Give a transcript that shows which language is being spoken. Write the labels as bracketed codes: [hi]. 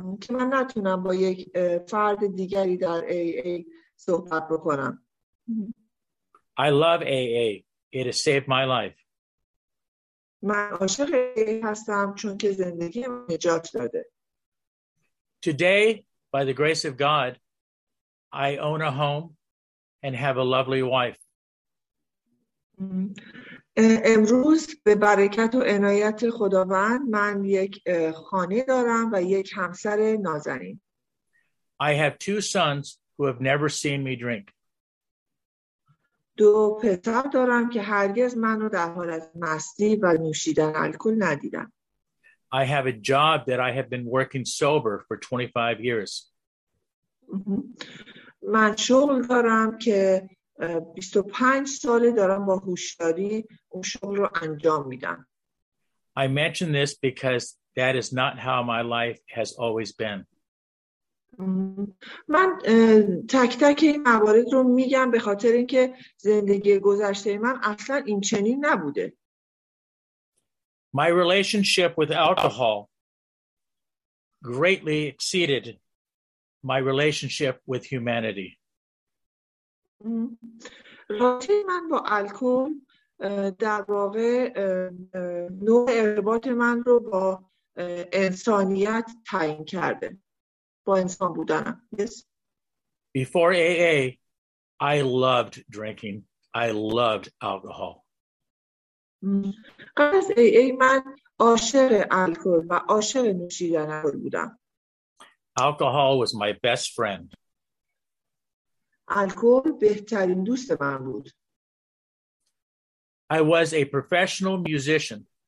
[fa] من نتونم با یک فرد دیگری در AA صحبت بکنم. [en] I love AA. It has saved my life. [fa] من عاشق هستم چون که زندگی من نجات داده. [en] Today, by the grace of God, I own a home and have a lovely wife. [fa] امروز به برکت و عنایت خداوند من یک خانه دارم و یک همسر نازنین. [en] I have two sons who have never seen me drink. [fa] دو پسر دارم که هرگز منو در حالت مستی و نوشیدن الکل ندیدم. [en] I have a job that I have been working sober for 25 years. [fa] من شغل دارم که 25 ساله دارم با هوشیاری اون شغل رو انجام میدم. [en] I mention this because that is not how my life has always been. [fa] من تک تک این موارد رو میگم به خاطر اینکه زندگی گذشته من اصلا این چنین نبوده. [en] My relationship with alcohol greatly exceeded my relationship with humanity. [fa] رابطه من با الکل در واقع نوع ارتباط من رو با انسانیت تعیین کرده. با انسان بودنم. Yes. [en] Before AA, I loved drinking. I loved alcohol. [fa] قبل از AA من عاشق الکل و عاشق نوشیدن الکل بودم. [en] Alcohol was my best friend. [fa] الکل بهترین دوست من بود. [en] I was a professional musician.